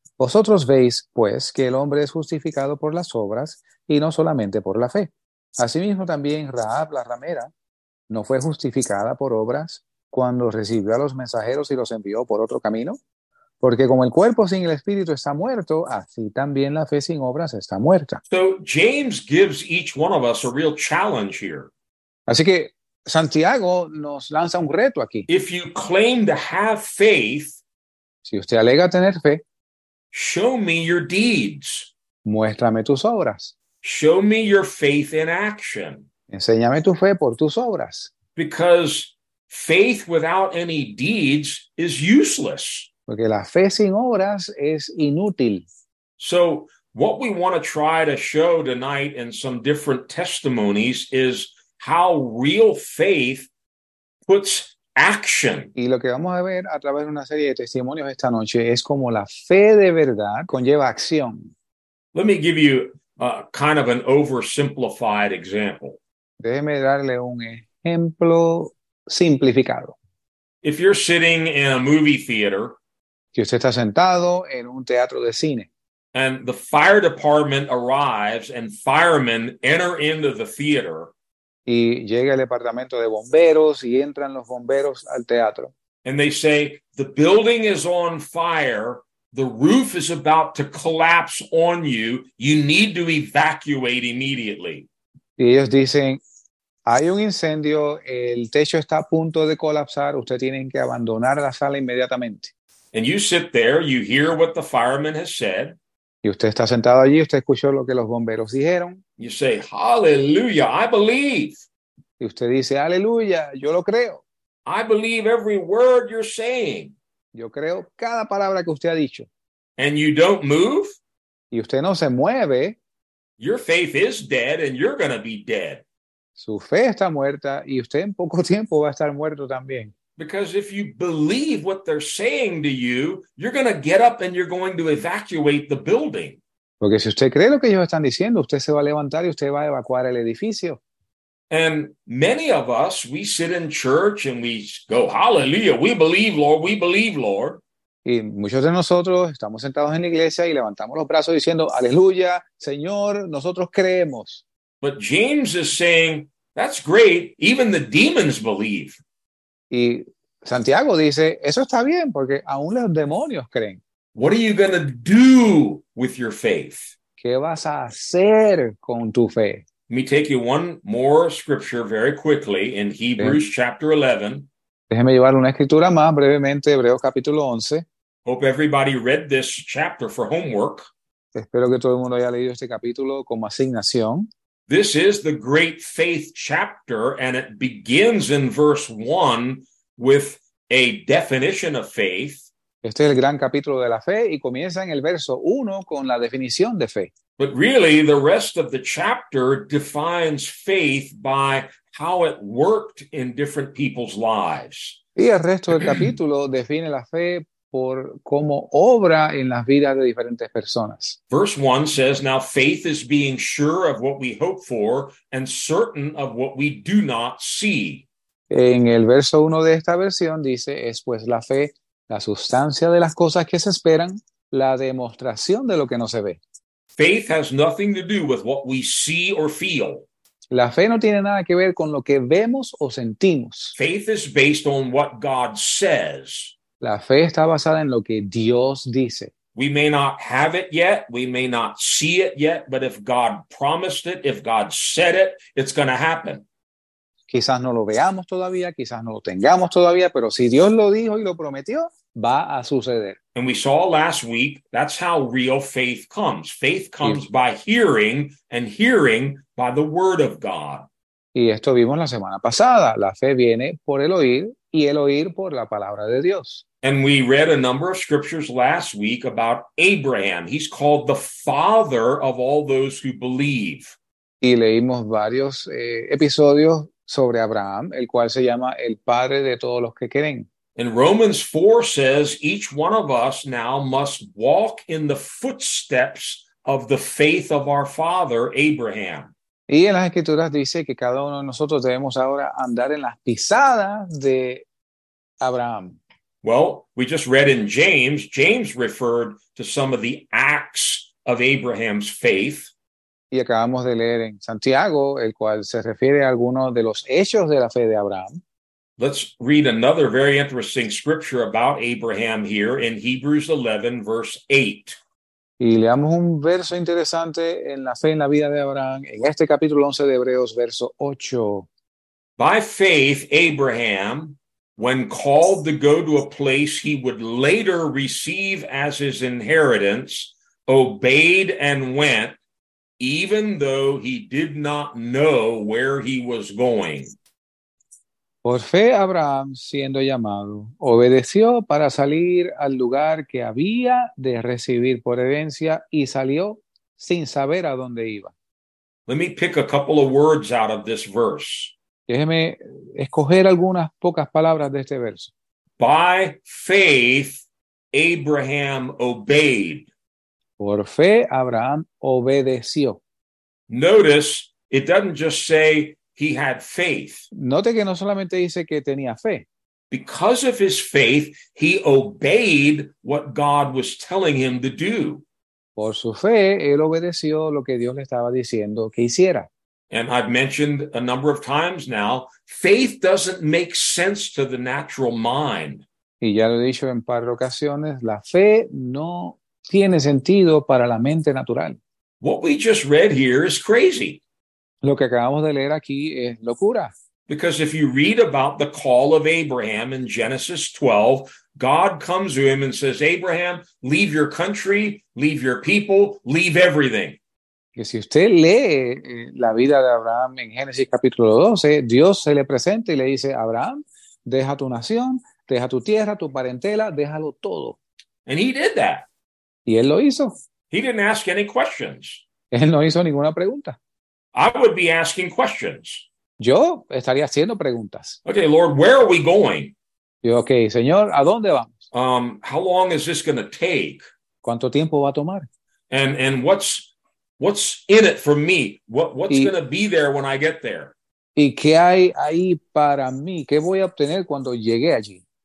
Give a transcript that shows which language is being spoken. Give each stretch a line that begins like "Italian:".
Spanish: Vosotros veis, pues, que el hombre es justificado por las obras y no solamente por la fe. Asimismo, también Rahab la ramera no fue justificada por obras cuando recibió a los mensajeros y los envió por otro camino. Porque como el cuerpo sin el espíritu está muerto, así también la fe sin obras está muerta.
English: So James gives each one of us a real challenge here.
Spanish: Así que Santiago nos lanza un reto aquí.
English: If you claim to have faith,
Spanish: si usted alega tener fe,
English: show me your deeds.
Spanish: Muéstrame tus obras.
English: Show me your faith in action.
Spanish: Enséñame tu fe por tus obras.
English: Because faith without any deeds is useless.
Spanish: Porque la fe sin obras es inútil.
English: So what we want to try to show tonight in some different testimonies is how real faith puts action.
Spanish: Y lo que vamos a ver a través de una serie de testimonios esta noche es cómo la fe de verdad conlleva acción.
English: Let me give you a kind of an oversimplified example.
Spanish: Déjeme darle un ejemplo simplificado.
English: If you're sitting in a movie theater,
Spanish: si usted está sentado en un teatro de cine,
English: and the fire department arrives and firemen enter into the theater,
Spanish: y llega el departamento de bomberos y entran los bomberos al teatro,
English: and they say the building is on fire, the roof is about to collapse on you, you need to evacuate immediately.
Spanish: Y ellos dicen, hay un incendio, el techo está a punto de colapsar, usted tiene que abandonar la sala inmediatamente.
English: And you sit there, you hear what the fireman has said.
Spanish: Y usted está sentado allí, usted escuchó lo que los bomberos dijeron.
English: You say, hallelujah, I believe.
Spanish: Y usted dice, aleluya, yo lo creo.
English: I believe every word you're saying.
Spanish: Yo creo cada palabra que usted ha dicho.
English: And you don't move.
Spanish: Y usted no se mueve.
English: Your faith is dead and you're going to be dead.
Spanish: Su fe está muerta y usted en poco tiempo va a estar muerto también.
English: Because if you believe what they're saying to you, you're going to get up and you're going to evacuate the building.
Spanish: Porque si usted cree lo que ellos están diciendo, usted se va a levantar y usted va a evacuar el edificio.
English: And many of us, we sit in church and we go, hallelujah, we believe, Lord, we believe, Lord.
Spanish: Y muchos de nosotros estamos sentados en la iglesia y levantamos los brazos diciendo, aleluya, Señor, nosotros creemos.
English: But James is saying, that's great, even the demons believe.
Spanish: Y Santiago dice, eso está bien, porque aún los demonios creen.
English: What are you going to do with your faith?
Spanish: ¿Qué vas a hacer con tu fe?
English: Let me take you one more scripture very quickly in Hebrews chapter 11.
Spanish: Déjeme llevar una escritura más brevemente, Hebreos capítulo 11.
English: Hope everybody read this chapter for homework.
Spanish: Espero que todo el mundo haya leído este capítulo como asignación.
English: This is the great faith chapter, and it begins in verse 1 with a definition of faith.
Spanish: Este es el gran capítulo de la fe y comienza en el verso 1 con la definición de fe.
English: But really, the rest of the chapter defines faith by how it worked in different people's lives.
Spanish: Y el resto del capítulo define la fe por cómo obra en las vidas de diferentes personas.
English: Verse 1 says, now faith is being sure of what we hope for and certain of what we do not see.
Spanish: En el verso 1 de esta versión dice, es pues la fe, la sustancia de las cosas que se esperan, la demostración de lo que no se ve.
English: Faith has nothing to do with what we see or feel.
Spanish: La fe no tiene nada que ver con lo que vemos o sentimos.
English: Faith is based on what God says.
Spanish: La fe está basada en lo que Dios dice.
English: We may not have it yet, we may not see it yet, but if God promised it, if God said it, it's going to happen.
Spanish: Quizás no lo veamos todavía, quizás no lo tengamos todavía, pero si Dios lo dijo y lo prometió, va a suceder.
English: And we saw last week, that's how real faith comes. Faith comes by hearing, and hearing by the word of God.
Spanish: Y esto vimos la semana pasada. La fe viene por el oír, y el oír por la palabra de Dios.
English: And we read a number of scriptures last week about Abraham. He's called the father of all those who believe.
Spanish: Y leímos varios episodios sobre Abraham, el cual se llama el padre de todos los que creen.
English: And Romans 4 says, each one of us now must walk in the footsteps of the faith of our father, Abraham.
Spanish: Y en las Escrituras dice que cada uno de nosotros debemos ahora andar en las pisadas de Abraham.
English: Well, we just read in James, James referred to some of the acts of Abraham's faith.
Spanish: Y acabamos de leer en Santiago, el cual se refiere a algunos de los hechos de la fe de Abraham.
English: Let's read another very interesting scripture about Abraham here in Hebrews 11, verse 8.
Spanish: Y leamos un verso interesante en la fe en la vida de Abraham, en este capítulo 11 de Hebreos, verso 8.
English: By faith, Abraham, when called to go to a place he would later receive as his inheritance, obeyed and went, even though he did not know where he was going.
Spanish: Por fe, Abraham, siendo llamado, obedeció para salir al lugar que había de recibir por herencia y salió sin saber a dónde iba.
English: Let me pick a couple of words out of this verse.
Spanish: Déjeme escoger algunas pocas palabras de este verso.
English: By faith, Abraham obeyed.
Spanish: Por fe, Abraham obedeció.
English: Notice, it doesn't just say, he had faith.
Spanish: Note que no solamente dice que tenía fe.
English: Because of his faith, he obeyed what God was telling him to do.
Spanish: Por su fe, él obedeció lo que Dios le estaba diciendo que hiciera.
English: And I've mentioned a number of times now, faith doesn't make sense to the natural mind.
Spanish: Y ya lo he dicho en par de ocasiones, la fe no tiene sentido para la mente natural.
English: What we just read here is crazy.
Spanish: Lo que acabamos de leer aquí es locura.
English: Because if you read about the call of Abraham in Genesis 12, God comes to him and says, Abraham, leave your country, leave your people, leave everything.
Spanish: Y si usted lee la vida de Abraham en Génesis capítulo 12, Dios se le presenta y le dice, Abraham, deja tu nación, deja tu tierra, tu parentela, déjalo todo.
English: And he did that.
Spanish: Y él lo hizo.
English: He didn't ask any questions.
Spanish: Él no hizo ninguna pregunta.
English: I would be asking questions.
Spanish: Yo estaría haciendo preguntas.
English: Okay, Lord, where are we going?
Spanish: Yo, okay, Señor, ¿a dónde vamos?
English: How long is this going to take?
Spanish: ¿Cuánto tiempo va a tomar?
English: And what's in it for me? What's going to be there when I get there?
Spanish: ¿Y qué hay ahí para mí? ¿Qué voy a obtener cuando llegue allí?